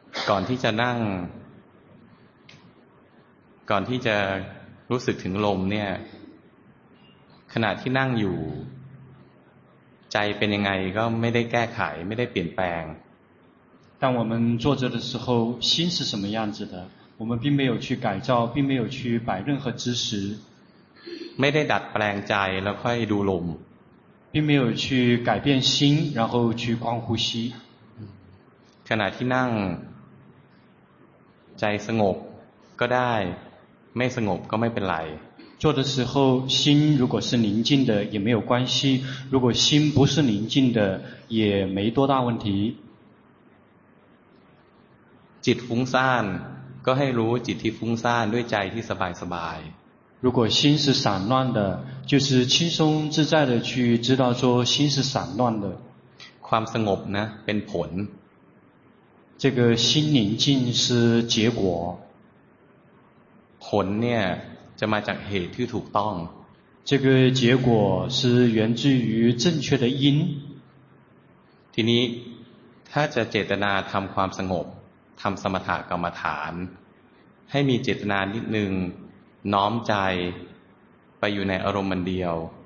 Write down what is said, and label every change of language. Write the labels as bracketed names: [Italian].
[Thai] ก่อนที่จะนั่งก่อนที่จะรู้สึกถึงลมเนี่ยขณะที่นั่งอยู่ใจเป็นยังไงก็ไม่ได้แก้ไขไม่ได้เปลี่ยนแปลง [Chinese] 当我们坐着的时候心是什么样子的我们并没有去改造并没有去摆任何姿势 [Thai] ไม่ได้ดัดแปลงใจแล้วค่อยดูลม [Chinese] 并没有去改变心然后去观呼吸 [Thai] ขณะที่นั่งใจสงบก็ได้ไม่สงบก็ไม่เป็นไร [Chinese] 坐的时候心如果是宁静的也没有关系如果心不是宁静的也没多大问题 [Thai] จิตฟุ้งซ่านก็ให้รู้จิตที่ฟุ้งซ่านด้วยใจที่สบายสบาย [Chinese] 如果心是散乱的就是轻松自在的去知道说心是散乱的 [Thai] ความสงบนะเป็นผล [Chinese] 这个心宁静是结果 [Thai] ผลเนี่ยจะมาจากเหตุที่ถูกต้อง [Chinese] 这个结果是源自于正确的因 [Thai] ทีนี้ถ้าจะเจตนาทำความสงบทำสมถกรรมฐานให้มีเจตนานิดนึงน้อมใจไปอยู่ในอารมณ์มันเดียว